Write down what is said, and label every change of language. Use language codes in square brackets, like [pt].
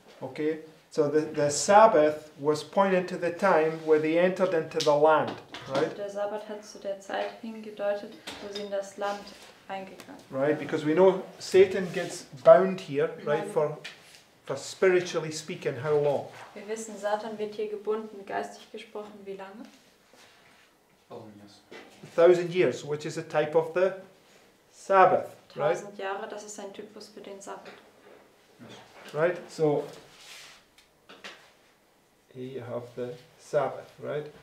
[en] Okay, so the Sabbath was pointing to the time where they entered into the land, right? [de] Der Sabbat hat zu der Zeit hingedeutet, wo sie in das Land eingegangen. [en] Right, because we know Satan gets bound here, right, for spiritually speaking, how long? [de] Wir wissen, Satan wird hier gebunden, geistig gesprochen, wie lange? [en] 1,000 years. 1,000 years, which is a type of the Sabbath, right? [de] 1,000 Jahre, das ist ein Typus für den Sabbat. [en] Right, so here you have the Sabbath, right?